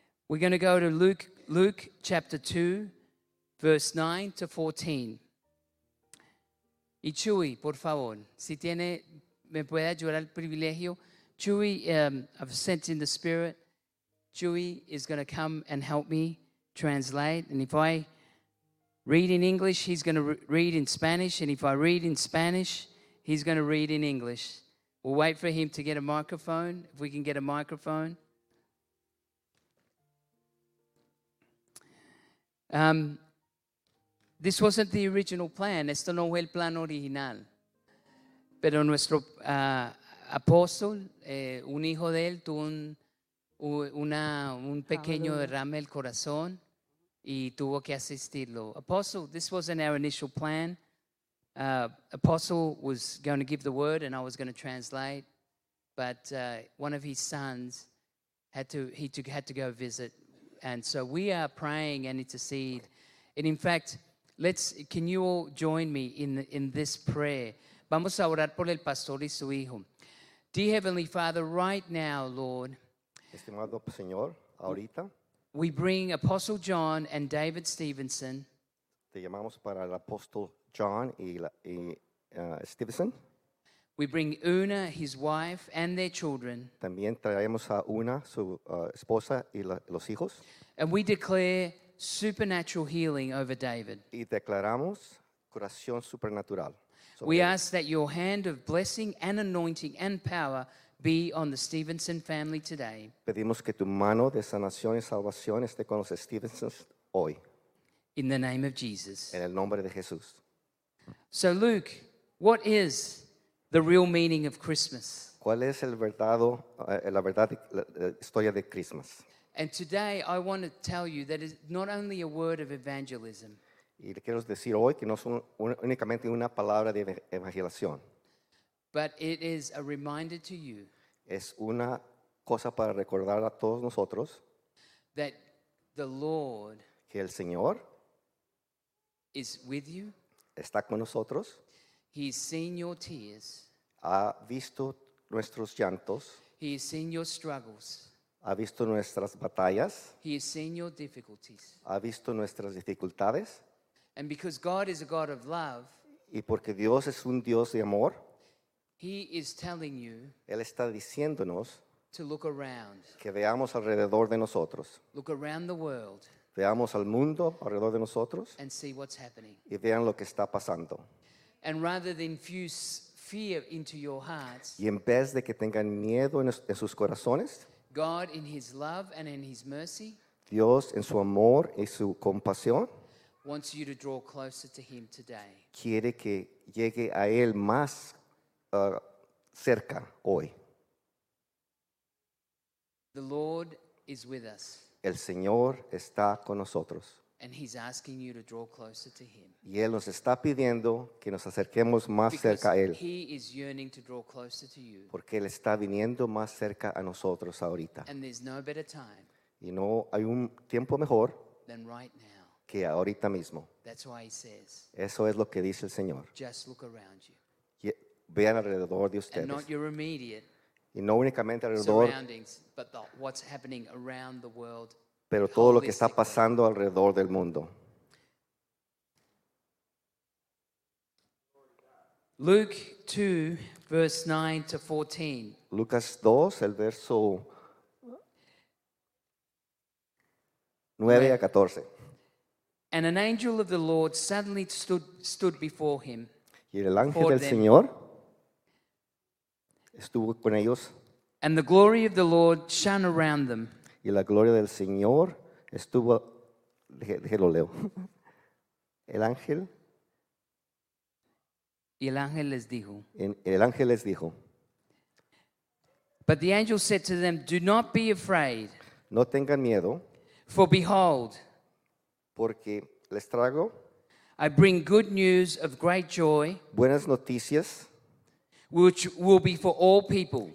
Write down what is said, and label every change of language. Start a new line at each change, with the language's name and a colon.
English: We're going to go to Luke chapter 2, verse 9 to 14.
Spanish: Y Chuy, por favor, si tiene, me puede ayudar el privilegio.
English: Chuy, I've sent in the Spirit. Chuy is going to come and help me translate. And if I read in English, he's going to read in Spanish. And if I read in Spanish, he's going to read in English. We'll wait for him to get a microphone, if we can get a microphone. This wasn't the original plan.
Spanish: Esto no fue el plan original. Pero nuestro apóstol, un hijo de él, tuvo un pequeño derrame del corazón y tuvo que asistirlo.
English: Apostle, this wasn't our initial plan. Apostle was going to give the word and I was going to translate, but one of his sons had to go visit. And so we are praying and intercede. And in fact, can you all join me in this prayer?
Spanish: Vamos a orar por el pastor y su hijo.
English: Dear Heavenly Father, right now, Lord,
Spanish: estimado Señor, ahorita,
English: we bring Apostle John and David Stevenson.
Spanish: Te llamamos para el apóstol John y Stevenson.
English: We bring Una, his wife, and their children.
Spanish: También traemos a Una, su esposa y los hijos.
English: And we declare supernatural healing over David.
Spanish: Y declaramos curación supernatural.
English: We ask that your hand of blessing and anointing and power be on the Stevenson family today.
Spanish: Pedimos que tu mano de sanación y salvación esté con los Stevensons hoy.
English: In the name of Jesus.
Spanish: En el nombre de Jesús.
English: So Luke, what is the real meaning of Christmas?
Spanish: ¿Cuál es el verdad, la verdad, la historia de Christmas?
English: And today I want to tell you that it's not only a word of evangelism.
Spanish: Y le quiero decir hoy que no son únicamente una palabra de evangelización.
English: But it is a reminder to you.
Spanish: Es una cosa para recordar a todos nosotros.
English: That the Lord.
Spanish: Que el Señor.
English: Is with you.
Spanish: Está con nosotros.
English: He's seen your tears.
Spanish: Ha visto nuestros llantos.
English: He's seen your struggles.
Spanish: Ha visto nuestras batallas.
English: He's seen your difficulties.
Spanish: Ha visto nuestras dificultades.
English: And because God is a God of love.
Spanish: Y porque Dios es un Dios de amor.
English: He is telling you.
Spanish: Él está diciéndonos.
English: To look around.
Spanish: Que veamos alrededor de nosotros.
English: Look around the world.
Spanish: Veamos al mundo alrededor de nosotros.
English: And see what's happening.
Spanish: Y vean lo que está pasando.
English: And rather than infuse fear into your hearts,
Spanish: y en vez de que tengan miedo en sus corazones,
English: God in His love and in His mercy,
Spanish: Dios en su amor y su compasión,
English: wants you to draw closer to Him today.
Spanish: Quiere que llegue a Él más cerca hoy.
English: The Lord is with us.
Spanish: El Señor está con nosotros.
English: And he's asking you to draw closer to him.
Spanish: Y él nos está pidiendo que nos acerquemos más cerca a él.
English: He is yearning to draw closer to you.
Spanish: Porque él está viniendo más cerca a nosotros ahorita.
English: And there's no better time.
Spanish: Y no hay un tiempo mejor.
English: Than right now.
Spanish: Que ahorita mismo.
English: That's why he says.
Spanish: Eso es lo que dice el Señor.
English: Just look around you.
Spanish: Vean alrededor de ustedes.
English: And not your immediate.
Spanish: Y no únicamente alrededor.
English: Surroundings, but what's happening around the world.
Spanish: Pero todo lo que está pasando alrededor del mundo.
English: Luke 2, verse 9 to 14.
Spanish: Lucas 2, el verso 9 a 14.
English: And an angel of the Lord suddenly stood before him.
Spanish: Y el ángel del Señor estuvo con ellos.
English: And the glory of the Lord shone around them.
Spanish: Y la gloria del Señor estuvo, déjelo leo, el ángel les dijo,
English: but the angel said to them, do not be afraid,
Spanish: no tengan miedo,
English: For behold,
Spanish: porque les traigo,
English: I bring good news of great joy,
Spanish: buenas noticias,
English: which will be for all people,